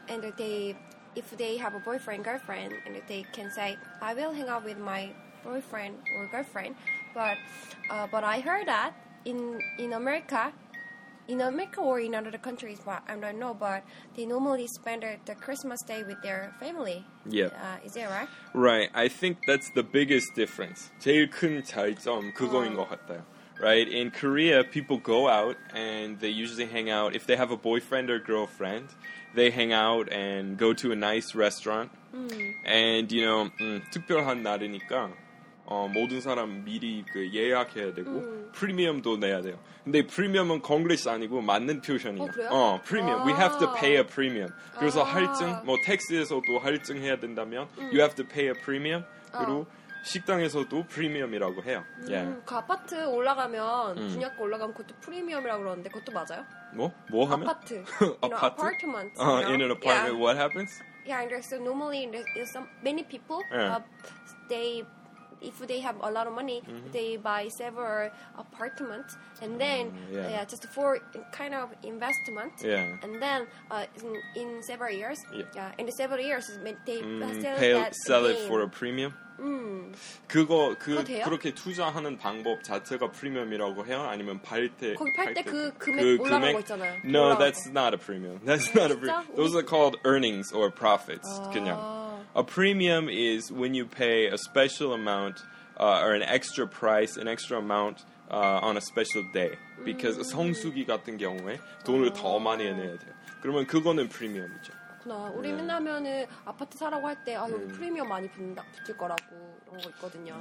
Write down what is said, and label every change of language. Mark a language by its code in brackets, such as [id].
[en] And if they have a boyfriend, girlfriend, and they can say, I will hang out with my boyfriend or girlfriend. But I heard that In America or in other countries, but I don't know, but they normally spend the Christmas day with their family. Yeah. Is that right? Right. I think that's the biggest difference. [ko] 제일 큰 차이점 그거인 것 같아요. [en] Right? In Korea, people go out and they usually hang out. If they have a boyfriend or girlfriend, they hang out and go to a nice restaurant. Mm. And, you know, [ko] 특별한 날이니까. 모든 사람 미리 그 예약해야 되고 프리미엄도 내야 돼요. 근데 프리미엄은 Konglish 아니고 맞는 표현이에요. 프리미엄. [en] We have to pay a premium. [ko] 그래서 할증, 뭐 택스에서도 할증해야 된다면 [en] you have to pay a premium. [ko] 그리고 식당에서도 프리미엄이라고 해요. 예. 그 아파트 올라가면 분양가 올라가면 그것도 프리미엄이라고 그러는데 그것도 맞아요? 뭐 하면? 아파트. apartment. [en] In an apartment, what happens? Yeah, and so normally there's many people they if they have a lot of money, they buy several apartments, and then just for kind of investment. Yeah. And then in several years, in several years they sell it for a premium. [ko] 그거 그 돼요? 그렇게 투자하는 방법 자체가 프리미엄이라고 해요? 아니면 팔때 거기 팔때 그 금액 그 올라간 금액? 거 있잖아요. [en] No, that's not a premium. That's not a premium. Those are called earnings or profits. [ko] 그냥. [en] A premium is when you pay a special amount or an extra price, an extra amount on a special day. Because [ko] 성수기 같은 경우에 돈을 더 많이 내야 돼요. 그러면 그거는 프리미엄이죠. 그렇구나. 우리 맨날면은 아파트 사라고 할 때 여기 프리미엄 많이 붙을 거라고 그런 거 있거든요.